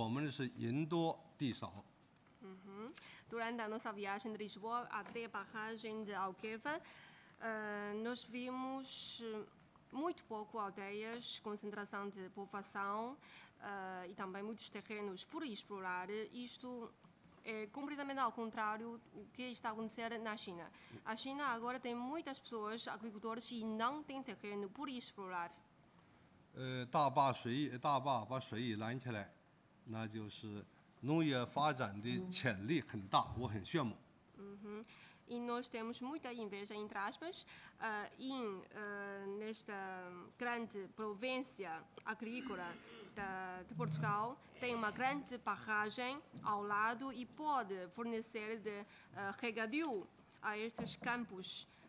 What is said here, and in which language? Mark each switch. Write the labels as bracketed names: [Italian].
[Chinese] 我昨天到奥盖巴大坝一路上看到，葡萄牙这里很远都看不到村庄，看不到人，土地是有点干燥，但是有地，我们是人多地少。 [Portuguese] Durante a nossa viagem de Lisboa até a barragem de Alqueva, nós vimos muito pouco aldeias, concentração de população e também muitos terrenos por explorar. Isto é completamente ao contrário do que está a acontecer na China. A China agora tem muitas pessoas, agricultores, e não tem terreno por explorar. [Chinese] 大坝水, 大坝把水拦起来,那就是农业发展的潜力很大，我很羡慕。 [Portuguese] 嗯哼，e nós temos muita inveja entre aspas, em nesta grande província agrícola de Portugal tem uma grande barragem ao lado e pode fornecer de regadio a estes campos.